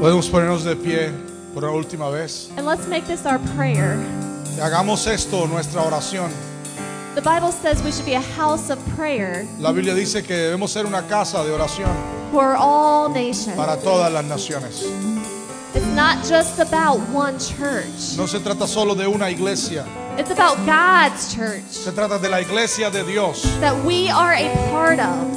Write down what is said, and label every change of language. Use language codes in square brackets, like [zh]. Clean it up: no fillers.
[es] Podemos ponernos de pie por una última vez. [en] And let's make this our prayer. [es] Y hagamos esto nuestra oración. [en] The Bible says we should be a house of prayer. [es] La Biblia dice que debemos ser una casa de oración. [en] For all nations. [es] Para todas las naciones. [en] It's not just about one church. [es] No se trata solo de una iglesia. [en] It's about God's church. [es] Se trata de la iglesia de Dios. [en] That we are a part of.